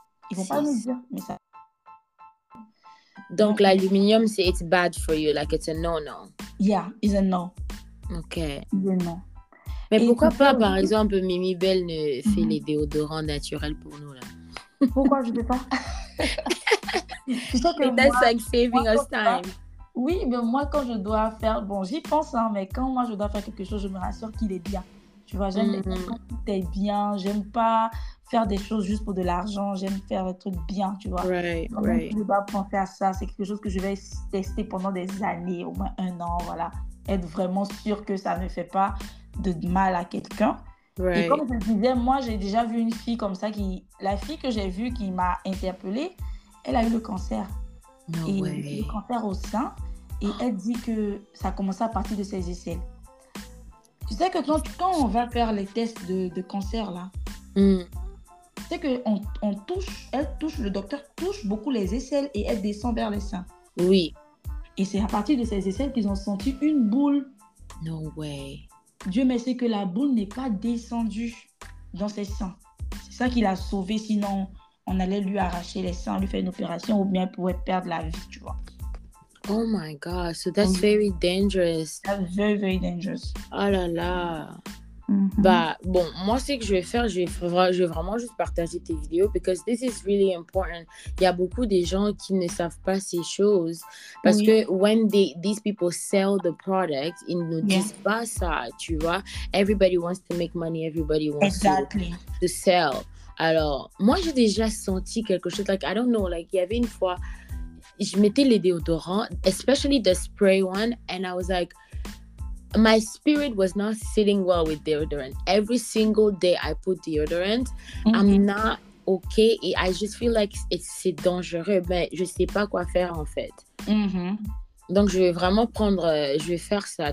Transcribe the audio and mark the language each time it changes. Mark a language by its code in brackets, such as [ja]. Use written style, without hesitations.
[fr] Ils ne vont pas nous dire, mais ça... Donc, l'aluminium, c'est [en] « it's bad for you », like « it's a no-no ». Yeah, it's a no. OK. It's a no. [fr] Mais pourquoi pas, par exemple, Mimibelle ne fait les déodorants naturels pour nous, là? Pourquoi je ne sais pas? [en] That's like saving us time. [fr] Oui, mais moi, quand je dois faire... Bon, j'y pense, hein, mais quand moi, je dois faire quelque chose, je me rassure qu'il est bien. Tu vois, j'aime les choses quand tout est bien. J'aime pas faire des choses juste pour de l'argent. J'aime faire des trucs bien, tu vois. [en] Right. [fr] Je ne vais pas penser à ça. C'est quelque chose que je vais tester pendant des années, au moins un an, voilà. Être vraiment sûre que ça ne fait pas de mal à quelqu'un. [en] Right. [fr] Et comme je disais, moi, j'ai déjà vu une fille comme ça qui... La fille que j'ai vue qui m'a interpellée, elle a eu le cancer. Le cancer au sein... Et elle dit que ça commençait à partir de ses aisselles. Tu sais que quand on va faire les tests de cancer, là, tu sais qu'on touche, elle touche, le docteur touche beaucoup les aisselles et elle descend vers les seins. Oui. Et c'est à partir de ses aisselles qu'ils ont senti une boule. [en] No way. [fr] Dieu merci que la boule n'est pas descendue dans ses seins. C'est ça qui l'a sauvée, sinon on allait lui arracher les seins, lui faire une opération ou bien elle pourrait perdre la vie, tu vois. [en] Oh my God, so that's very dangerous. That's very, very dangerous. [fr] Oh là là. Mm-hmm. Bah, bon, moi, ce que je vais faire, je vais vraiment juste partager tes vidéos [en] because this is really important. [fr] Il y a beaucoup de gens qui ne savent pas ces choses parce que [en] when these people sell the product, [fr] ils ne disent pas ça, tu vois. [en] Everybody wants to make money, everybody wants to sell. [fr] Alors, moi, j'ai déjà senti quelque chose, [en] like, I don't know, like, [fr] il y avait une fois... Je mettais les déodorants, [en] especially the spray one, and I was like, my spirit was not sitting well with deodorant. Every single day I put deodorant, I'm not okay. [fr] Et [en] I just feel like [fr] c'est dangereux, mais je sais pas quoi faire en fait. Mm-hmm. Donc je vais vraiment prendre, je vais faire ça.